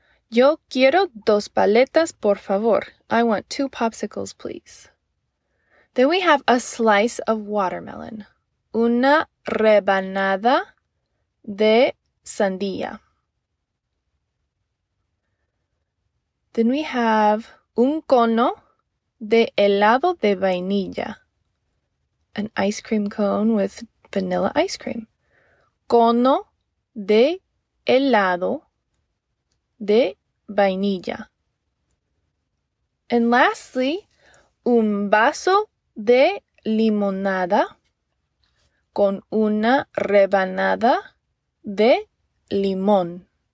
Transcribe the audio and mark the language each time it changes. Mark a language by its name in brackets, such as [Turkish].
[Spanish] Yo quiero dos paletas, por favor. [English] I want two popsicles, please. Then we have a slice of watermelon. [Spanish] Una rebanada de sandía. [English] Then we have [Spanish] un cono de helado de vainilla. [English] An ice cream cone with vanilla ice cream. [Spanish] Cono de helado de vainilla. [English] And lastly, [Spanish] un vaso de limonada con una rebanada de limón.